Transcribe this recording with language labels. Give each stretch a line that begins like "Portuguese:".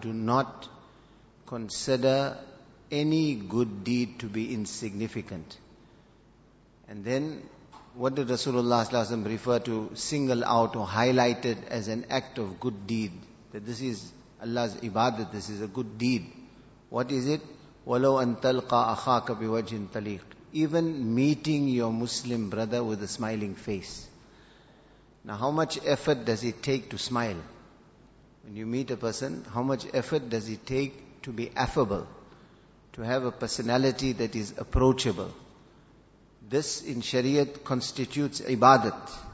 English: Do not consider any good deed to be insignificant. And then, what did Rasulullah sallallahu alaihi wasallam refer to, single out or highlight it as an act of good deed? That this is Allah's ibadat, this is a good deed. What is it?
Arabic: وَلَوْ أَن تَلْقَى أَخَاكَ بِوَجْهٍ طَلِيقٍ.
English: Even meeting your Muslim brother with a smiling face. Now how much effort does it take to smile? When you meet a person, how much effort does it take to be affable? To have a personality that is approachable? This in Shariat constitutes ibadat.